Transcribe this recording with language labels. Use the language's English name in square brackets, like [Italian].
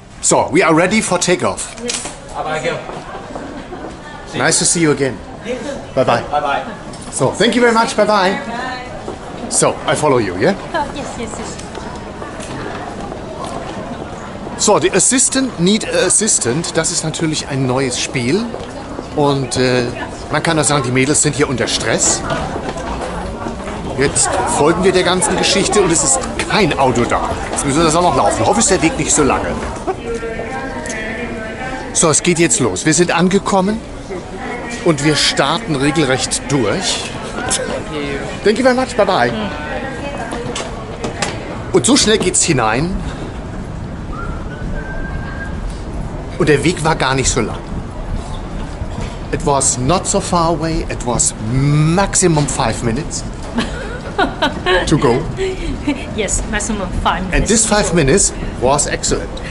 [English] So, we are ready for takeoff. Yes. Nice to see you again. Bye-bye. Bye-bye. So, thank you very much. Bye-bye. Bye. So, I follow you, yeah? Yes. So, the assistant need assistant. [German] Das ist natürlich ein neues Spiel. Und man kann doch sagen, die Mädels sind hier unter Stress. Jetzt folgen wir der ganzen Geschichte und es ist kein Auto da. Jetzt müssen wir das auch noch laufen. Ich hoffe, es ist der Weg nicht so lange. So, es geht jetzt los. Wir sind angekommen und wir starten regelrecht durch. [English] Thank you very much. Bye-bye. [German] Und so schnell geht's hinein. Und der Weg war gar nicht so lang. [English] It was not so far away. It was maximum 5 minutes to go. Yes, maximum 5 minutes. And this 5 minutes was excellent.